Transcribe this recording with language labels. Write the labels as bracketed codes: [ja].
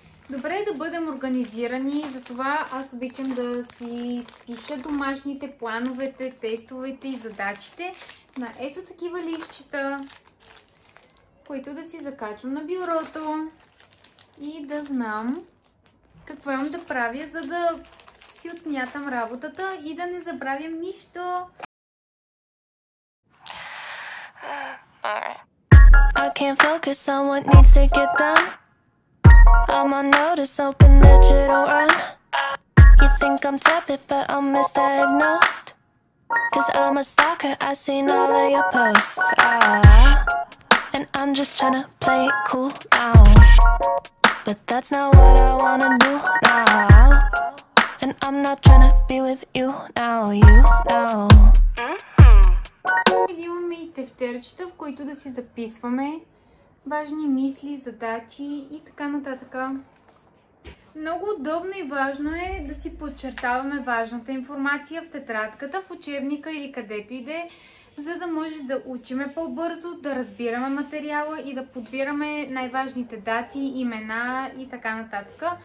[bg] Добре е да бъдем организирани, затова аз обичам да си пиша домашните плановете, тестовете и задачите на ето такива листчета, които да си закачам на бюрото и да знам какво имам да правя, за да си отмятам работата и да не забравям нищо. [en] I can't focus on what needs to get done. I'm on notice, hoping that you don't run. You think I'm tepid, but I'm misdiagnosed. Cause I'm a stalker, I seen all of your posts. And I'm just tryna play it cool now. But that's not what I wanna do now. And I'm not tryna be with you now, you now. Mm-hmm. [bg] Имаме и тефтерчета, в които да си записваме важни мисли, задачи и така нататък. Много удобно и важно е да си подчертаваме важната информация в тетрадката, в учебника или където иде, за да може да учиме по-бързо, да разбираме материала и да подбираме най-важните дати, имена и така нататък.